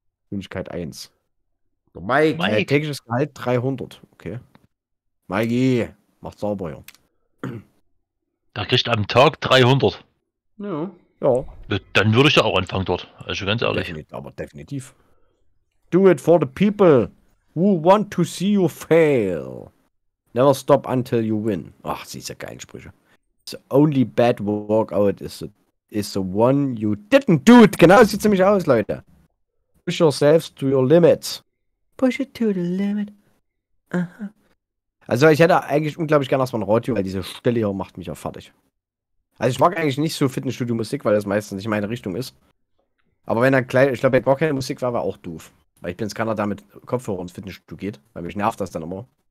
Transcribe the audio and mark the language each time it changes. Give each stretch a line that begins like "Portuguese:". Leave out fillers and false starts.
German: Wünschigkeit 1. Der Mike. Tägliches Gehalt 300, okay. Mikey, mach sauber, ja. Da kriegst du am Tag 300. Ja. Ja. Dann würde ich ja auch anfangen dort, also ganz ehrlich. Definitiv.
English: Do it for the people who want to see you fail. Never stop until you win.
German: Ach, das ist ja geil, Sprüche.
English: The only bad workout is the one you didn't do it.
German: Genau, sieht ziemlich aus, Leute.
English: Push yourselves to your limits. Push it to the limit.
German: Also ich hätte eigentlich unglaublich gerne erstmal ein Radio, weil diese Stelle hier macht mich ja fertig. Also ich mag eigentlich nicht so Fitnessstudio Musik, weil das meistens nicht meine Richtung ist. Aber wenn dann kleine, ich glaube, wenn gar keine Musik wäre, wäre auch doof. Weil ich bin jetzt keiner, der mit Kopfhörer ins Fitnessstudio geht. Weil mich nervt das dann immer.